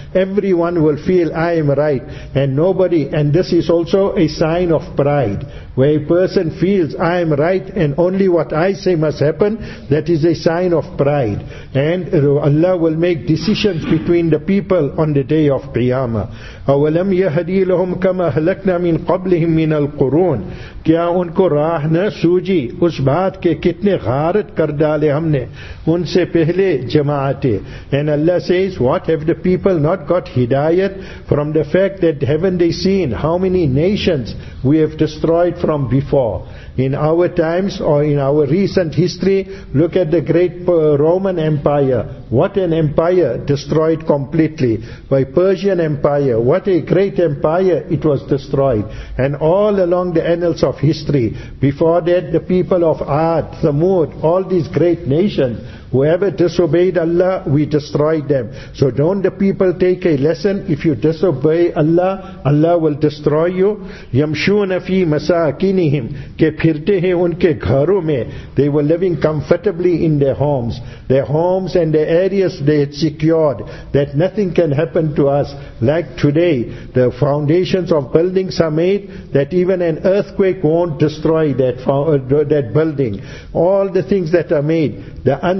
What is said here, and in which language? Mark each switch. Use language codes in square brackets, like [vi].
[en] Everyone will feel, I am right. And nobody, and this is also a sign of pride, where a person feels, I am right and only what I say must happen, that is a sign of pride. And Allah will make decisions between the people on the day of Qiyamah. [ar] أَوَلَمْ يَهَدِي لَهُمْ كَمَ أَهْلَكْنَا مِنْ قَبْلِهِمْ مِنَ الْقُرُونَ. [ur] کیا ان کو راہ نہ سوجی اس بات کے کتنے غارت کر ڈالے ہم نے ان سے پہلے جماعتیں. [en] And Allah says, what have the people not got hidayat from the fact that haven't they seen how many nations we have destroyed from before? In our times or in our recent history, look at the great Roman Empire. What an empire destroyed completely. By Persian Empire, what a great empire it was destroyed. And all along the annals of history, before that the people of Ad, Thamud, all these great nations, whoever disobeyed Allah, we destroyed them. So don't the people take a lesson? If you disobey Allah, Allah will destroy you. [ar] يَمْشُونَ فِي مَسَاكِنِهِمْ [ur] كَ پھرتے ہیں ان کے گھروں میں. [en] They were living comfortably in their homes. Their homes and their areas they had secured, that nothing can happen to us. Like today, the foundations of buildings are made that even an earthquake won't destroy that building. All the things that are made, the